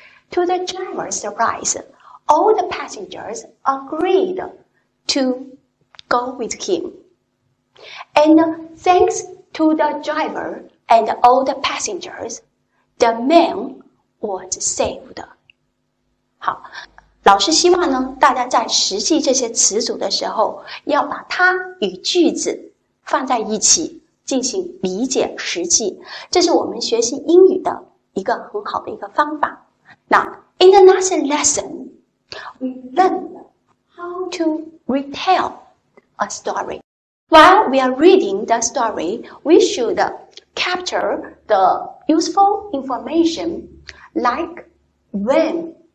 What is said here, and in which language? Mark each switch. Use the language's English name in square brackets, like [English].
[English] To the driver's surprise, all the passengers agreed to go with him. And thanks to the driver and all the passengers, the man was saved. [Chinese] 好。老师希望呢，大家在实际这些词组的时候，要把它与句子放在一起进行理解实际。这是我们学习英语的一个很好的一个方法。 [English] Now, in the last lesson, we learned how to retell a story. While we are reading the story, we should capture the useful information like when.